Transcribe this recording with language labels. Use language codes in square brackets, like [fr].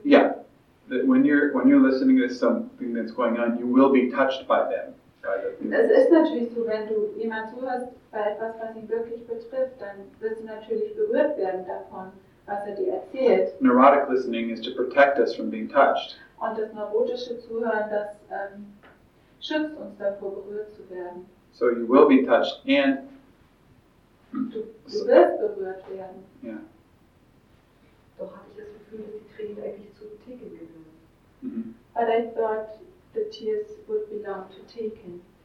[en] Yeah, that when you're listening to something that's going on, you will be touched by them. [de] Es ist natürlich so, wenn du jemand zuhörst bei etwas, was ihn wirklich betrifft, dann wirst du natürlich berührt werden davon, was dir erzählt. [en] Neurotic listening is to protect us from being touched. [de] Und das neurotische Zuhören, das schützt uns davor, berührt zu werden. [en] So you will be touched, and [de] du wirst berührt werden. [en] Yeah. [de] Doch hatte ich das Gefühl, dass die Tränen eigentlich zu Tekin gehören. [en] But I thought the tears would belong to Tekin.